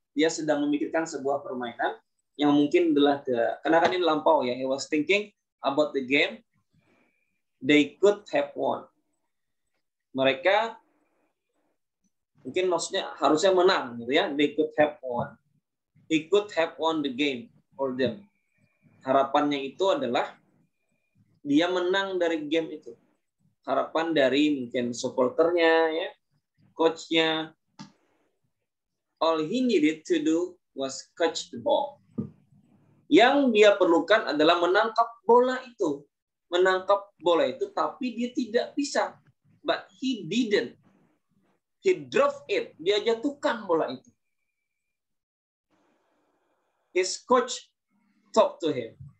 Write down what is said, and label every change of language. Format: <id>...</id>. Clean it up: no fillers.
<id>Dia sedang memikirkan sebuah permainan yang mungkin adalah, karena kan ini lampau ya,</id> <en>he was thinking about the game they could have won.</en> <id>Mereka, mungkin maksudnya harusnya menang, gitu ya,</id> <en>they could have won. He could have won the game for them.</en> <id>Harapannya itu adalah dia menang dari game itu. Harapan dari mungkin supporternya, ya, coachnya.</id> <en>All he needed to do was catch the ball.</en> <id>Yang dia perlukan adalah menangkap bola itu. Menangkap bola itu, tapi dia tidak bisa.</id> <en>But he didn't. He dropped it.</en> <id>Dia jatuhkan bola itu.</id> <en>His coach talked to him.</en>